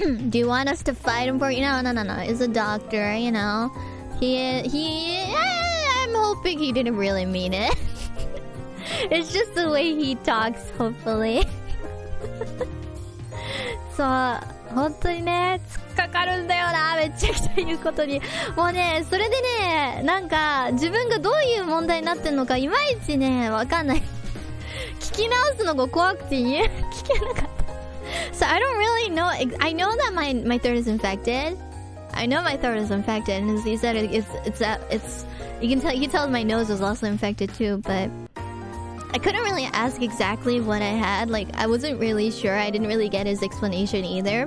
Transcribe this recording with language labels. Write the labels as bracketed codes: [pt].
[en] Do you want us to fight him for you? No. He's a doctor, you know. I'm hoping he didn't really mean it. It's just the way he talks, hopefully. [ja] So, 本当にね、突っかかるんだよな、めっちゃくちゃ言うことに。もうね、それでね、なんか、自分がどういう問題になってんのか、いまいちね、わかんない。聞き直すのが怖くて、聞けなかった。 [en] So I don't really know. I know that my throat is infected. I know my throat is infected, and he said it's you can tell my nose was also infected too. But I couldn't really ask exactly what I had. Like, I wasn't really sure. I didn't really get his explanation either.